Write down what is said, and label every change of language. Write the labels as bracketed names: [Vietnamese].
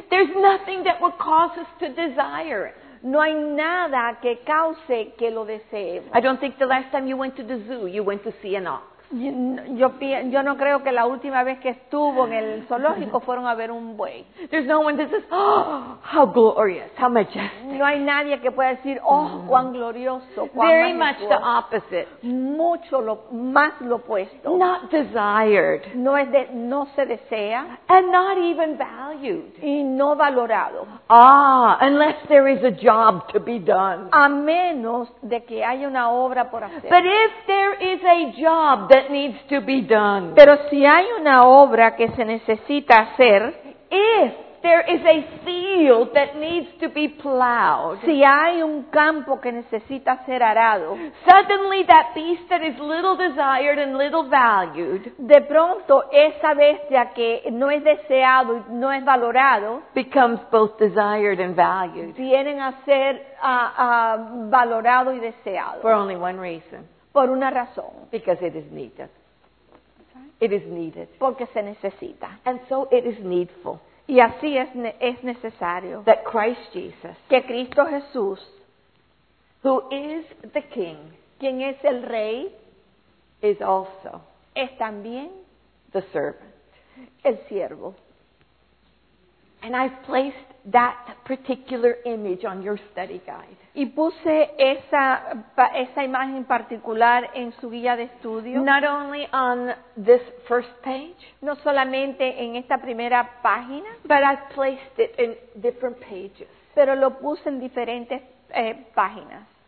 [English] there's nothing that will cause us to desire it. [Spanish] No hay nada que cause que lo deseemos. [English] I don't think the last time you went to the zoo, you went to see an ox. [Spanish] Yo no creo que la última vez que estuvo en el zoológico fueron a ver un buey. [English] There's no one that says, oh, how glorious, how majestic. [Spanish] No hay nadie que pueda decir, oh, cuán glorioso, cuán [English] Very [Spanish] majestuoso. [English] Much the opposite. [Spanish] Mucho más lo opuesto. [English] Not desired. [Spanish] No se desea. [English] And not even valued. [Spanish] Y no valorado. [English] Ah, unless there is a job to be done. [Spanish] A menos de que haya una obra por hacer. [English] But if there is a job that needs to be done. [Spanish] Pero si hay una obra que se necesita hacer, [English] if there is a field that needs to be plowed, [Spanish] si hay un campo que necesita ser arado, [English] suddenly that beast that is little desired and little valued, [Spanish] de pronto esa bestia que no es deseado y no es valorado, [English] becomes both desired and valued. [Spanish] Vienen a ser valorado y deseado. [English] For only one reason. [Spanish] Por una razón. [English] Because it is needed. It is needed. [Spanish] Porque se necesita. [English] And so it is needful. [Spanish] Y así es necesario. [English] That Christ Jesus. [Spanish] Que Cristo Jesús. [English] Who is the King. [Spanish] Quien es el Rey. [English] Is also. [Spanish] Es también. [English] The servant. [Spanish] El siervo. [English] And I've placed that particular image on your study guide. [Spanish] Y puse esa imagen particular en su guía de estudio. [English] Not only on this first page. [Spanish] No solamente en esta primera página. [English] But I've placed it in different pages. [Spanish] Pero lo puse en diferentes páginas.